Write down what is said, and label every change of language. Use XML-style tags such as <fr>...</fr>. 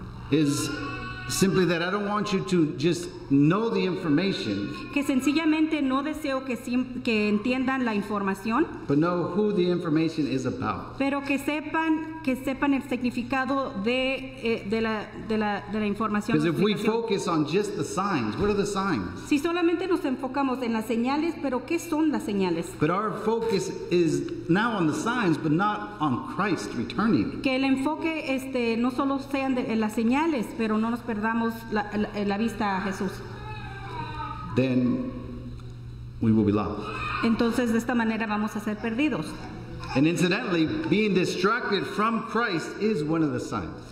<en>Is simply that I don't want you to just know the information.</en> <es>Que sencillamente no deseo que entiendan la información.</es> <en>But know who the information is about.</en> <es>Pero que sepan el significado de la información.</es> <en>Because if we focus on just the signs, what are the signs?</en> <es>Si solamente nos enfocamos en las señales, pero ¿qué son las señales?</es> <en>But our focus is now on the signs, but not on Christ returning.</en> <es>Que el enfoque no solo sean en las señales, pero no nos perdamos la vista a Jesús.</es> <en>Then we will be lost.</en> <es>Entonces de esta manera vamos a ser perdidos.</es> <en>And incidentally, being distracted from Christ is one of the signs.</en>